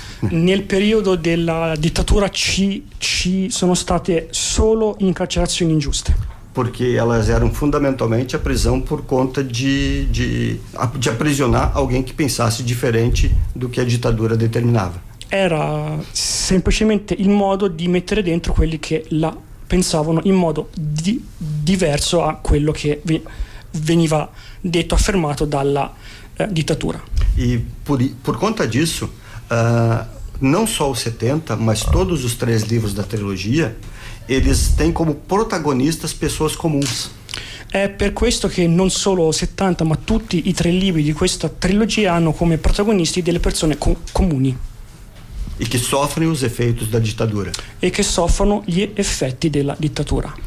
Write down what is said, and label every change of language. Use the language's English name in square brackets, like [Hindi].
[Italian] Nel periodo della dittatura ci sono state solo incarcerazioni ingiuste. [Portuguese] Porque elas eram fundamentalmente a prisão por conta de aprisionar alguém que pensasse diferente do que a ditadura determinava. [Italian] Era semplicemente il modo di mettere dentro quelli che la pensavano in modo diverso a quello che veniva detto, affermato dalla ditatura. [Portuguese] E por conta disso, não só o 70, mas todos os três livros da trilogia, eles têm como protagonistas pessoas comuns. [Italian] É per questo che non solo 70, ma tutti i tre libri di questa trilogia hanno come protagonisti delle persone comuni. [Portuguese] E que sofrem os efeitos da ditadura. [Italian] E che soffrono gli effetti della dittatura.